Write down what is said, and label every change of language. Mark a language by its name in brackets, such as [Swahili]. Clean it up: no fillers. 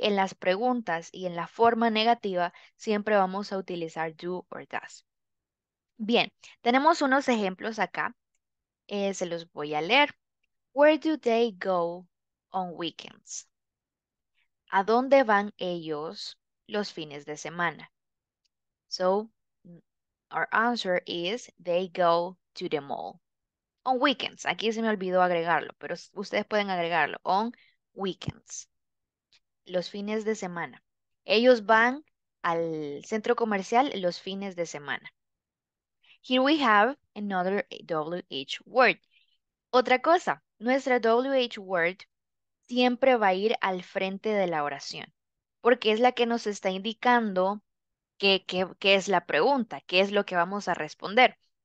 [Spanish] En las preguntas y en la forma negativa, siempre vamos a utilizar [English] do or does. [Spanish] Bien, tenemos unos ejemplos acá. Se los voy a leer. [English] Where do they go on weekends? [Spanish] ¿A dónde van ellos los fines de semana? [English] So, our answer is they go to the mall. On weekends. [Spanish] Aquí se me olvidó agregarlo, pero ustedes pueden agregarlo. [English] On weekends. [Spanish] Los fines de semana. Ellos van al centro comercial los fines de semana. [English] Here we have another WH word. [Spanish] Otra cosa, nuestra WH word siempre va a ir al frente de la oración, porque es la que nos está indicando qué es la pregunta, qué es lo que vamos a responder.